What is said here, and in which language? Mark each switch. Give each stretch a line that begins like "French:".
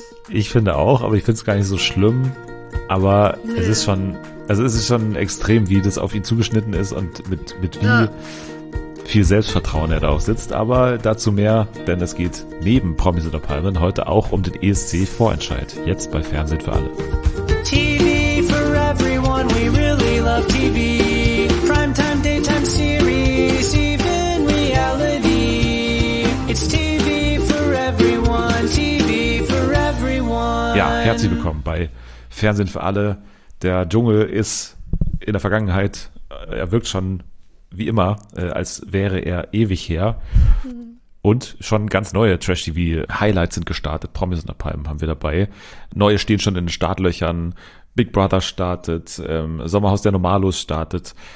German: Ich finde auch, aber ich finde es gar nicht so schlimm. Aber nö. Es ist schon, also es ist schon extrem, wie das auf ihn zugeschnitten ist und mit wie viel Selbstvertrauen er darauf sitzt. Aber dazu mehr, denn es geht neben Promis oder Palmen heute auch um den ESC-Vorentscheid. Jetzt bei Fernsehen für alle.
English: TV for everyone, we really love TV. Primetime, daytime series, even reality. It's TV for everyone, TV for everyone.
German: Ja, herzlich willkommen bei Fernsehen für alle. Der Dschungel ist in der Vergangenheit, er wirkt schon wie immer, als wäre er ewig her. Und schon ganz neue Trash-TV-Highlights sind gestartet. Promis unter Palmen haben wir dabei. Neue stehen schon in den Startlöchern. Big Brother startet, Sommerhaus der Normalos startet.